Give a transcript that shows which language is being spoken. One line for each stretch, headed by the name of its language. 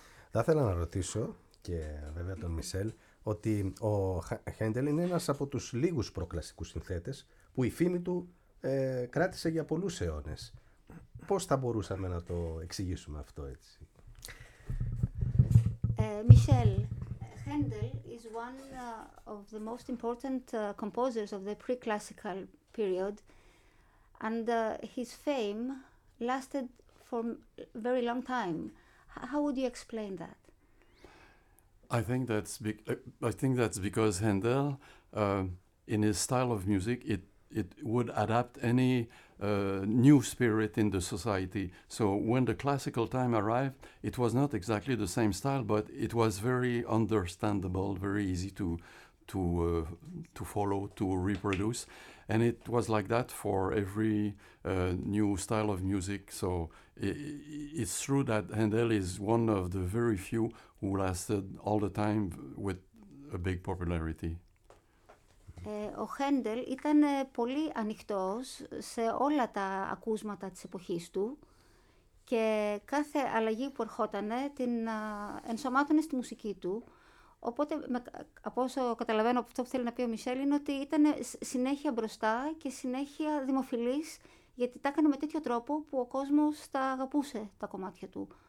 Greek: Θα ήθελα να ρωτήσω και βέβαια τον Μισελ ότι ο Χέντελ είναι ένας από τους λίγους προκλασικούς συνθέτες που η φήμη του κράτησε για πολλούς αιώνες. Πώς θα μπορούσαμε να το εξηγήσουμε αυτό έτσι?
English: Michel, Handel is one of the most important composers of the pre-classical period, and his fame lasted for a very long time. How would you explain that? I think that's because Handel, in his style of music, it would adapt any new spirit in the society. So when the classical time arrived, it was not exactly the same style, but it was very understandable, very easy to follow, to reproduce. And it was like that for every new style of music. So it's true that Handel is one of the very few who lasted all the time with a big popularity.
Greek: Ο Χέντελ ήταν πολύ ανοιχτός σε όλα τα ακούσματα της εποχής του και κάθε αλλαγή που ερχόταν την ενσωμάτωνε στη μουσική του. Οπότε, από όσο καταλαβαίνω από αυτό που θέλει να πει ο Μισελ, είναι ότι ήταν συνέχεια μπροστά και συνέχεια δημοφιλής, γιατί τα έκανε με τέτοιο τρόπο που ο κόσμος τα αγαπούσε τα κομμάτια του.